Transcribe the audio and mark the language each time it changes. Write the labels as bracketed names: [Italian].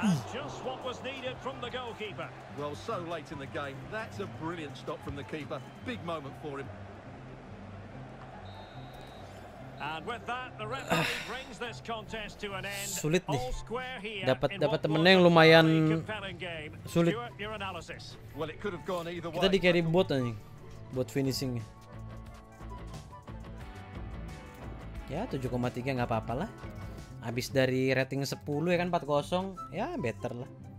[English] Just what was needed from the goalkeeper. Well, so late in the game, that's a brilliant stop from the keeper. Big moment for him. And with that, the referee brings this contest to an end. [Indonesian] Sulit nih. Dapat dapat temennya yang lumayan sulit. [English] Well, it could have gone either way. [Indonesian] Kita di carry bot anjing. [English] Bot finishing. [Indonesian] Ya, 7,3 enggak apa-apalah. Abis dari rating 10 ya kan 4-0. Ya, better lah.